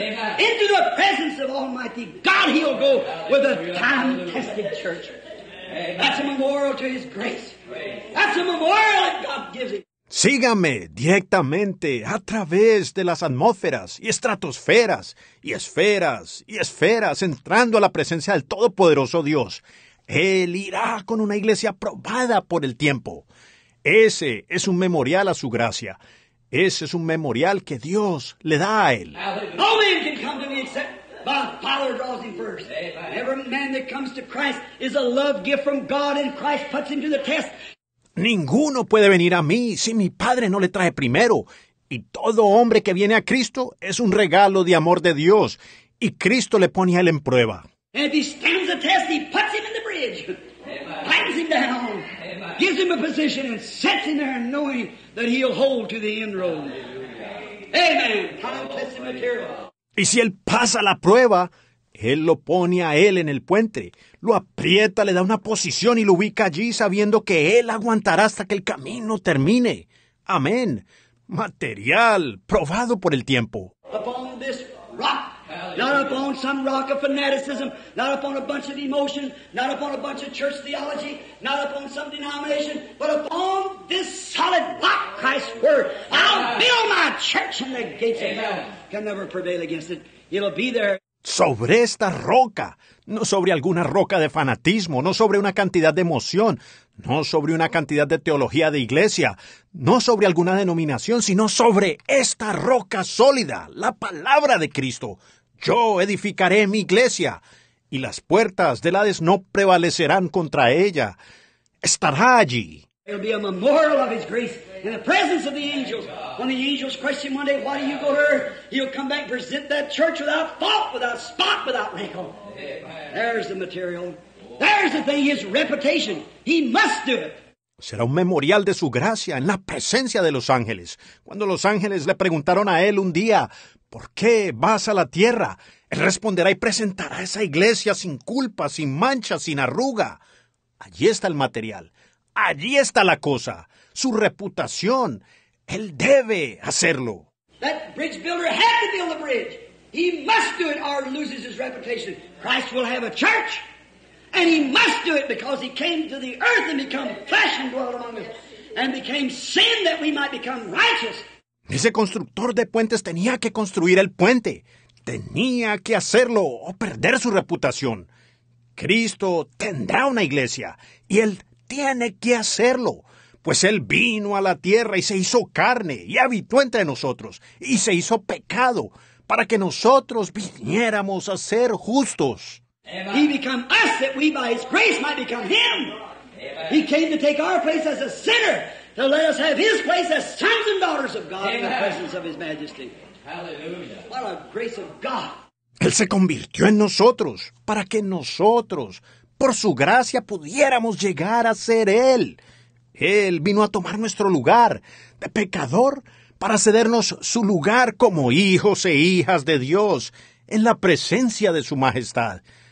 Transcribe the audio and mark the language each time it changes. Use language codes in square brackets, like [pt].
[en] Into the presence of Almighty God He'll go with a time-tested church. That's a memorial to His grace. That's a memorial that God gives Him. [es] Sígame directamente a través de las atmósferas y estratosferas y esferas y esferas entrando a la presencia del Todopoderoso Dios. Él irá con una iglesia probada por el tiempo. Ese es un memorial a su gracia. Ese es un memorial que Dios le da a él. [en] No man can come to me except by the Father draws him first. Every man that comes to Christ is a love gift from God, and Christ puts him to the test. [es] Ninguno puede venir a mí si mi Padre no le trae primero. Y todo hombre que viene a Cristo es un regalo de amor de Dios. Y Cristo le pone a él en prueba. [en] And if he stands the test, he puts him in the bridge. Plants him down. Amen. Gives him a position and sets him there knowing that he'll hold to the end road. Amen. Time-tested material. [es] Y si él pasa la prueba, él lo pone a él en el puente. Lo aprieta, le da una posición y lo ubica allí sabiendo que él aguantará hasta que el camino termine. Amén. Material probado por el tiempo. [en] Upon this rock, not upon some rock of fanaticism, not upon a bunch of emotion, not upon a bunch of church theology, not upon some denomination, but upon this solid rock, Christ's word, I'll build my church and the gates of hell can never prevail against it. It'll be there. [es] Sobre esta roca, no sobre alguna roca de fanatismo, no sobre una cantidad de emoción, no sobre una cantidad de teología de iglesia, no sobre alguna denominación, sino sobre esta roca sólida, la palabra de Cristo. Yo edificaré mi iglesia, y las puertas del Hades no prevalecerán contra ella. Estará allí. [en] It'll be a memorial of his grace in the presence of the angels. When the angels question one day, why do you go to earth? He'll come back and present that church without fault, without spot, without wrinkle. There's the material. There's the thing, his reputation. He must do it. [es] Será un memorial de su gracia en la presencia de los ángeles. Cuando los ángeles le preguntaron a él un día, ¿por qué vas a la tierra? Él responderá y presentará esa iglesia sin culpa, sin mancha, sin arruga. Allí está el material. Allí está la cosa, su reputación. Él debe hacerlo. [en] That bridge builder had to build a bridge. He must do it or loses his reputation. Christ will have a church, and he must do it because he came to the earth and become flesh and dwelt among us, and became sin that we might become righteous. [es] Ese constructor de puentes tenía que construir el puente. Tenía que hacerlo o perder su reputación. Cristo tendrá una iglesia, y Él tiene que hacerlo, pues Él vino a la tierra y se hizo carne, y habitó entre nosotros, y se hizo pecado, para que nosotros viniéramos a ser justos. [en] He became us that we by His grace might become Him. He came to take our place as a sinner, to let us have His place as sons and daughters of God in the presence of His majesty. Hallelujah. What a grace of God. [es] Él se convirtió en nosotros para que nosotros, por su gracia, pudiéramos llegar a ser Él. Él vino a tomar nuestro lugar de pecador para cedernos su lugar como hijos e hijas de Dios en la presencia de su majestad.